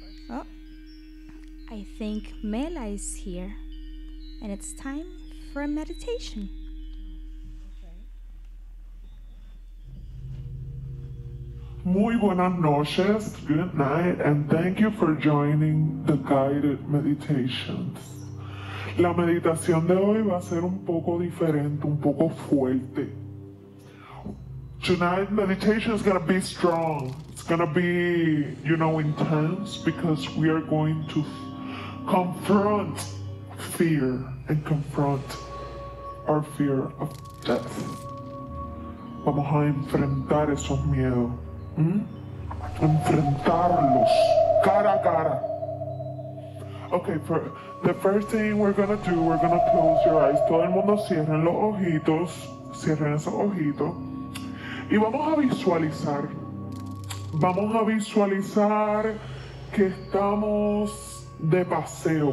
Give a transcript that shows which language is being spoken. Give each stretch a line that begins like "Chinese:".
English: Oh, I think Mela is here, and it's time for a meditation.
Spanish: Muy buenas noches,
English: good night, and thank you for joining the guided meditations.
Spanish: La meditación de hoy va a ser un poco diferente, un poco fuerte.
English: Tonight's meditation is gonna be strong. It's gonna be, you know, intense because we are going to confront fear and confront our fear of death.
Spanish: Vamos a enfrentar esos miedos. Enfrentarlos cara a cara.
English: Okay, for the first thing we're gonna do, we're gonna close your eyes.
Spanish: Todo el mundo cierren los ojitos, cierren esos ojitos. Y vamos a visualizar que estamos de paseo.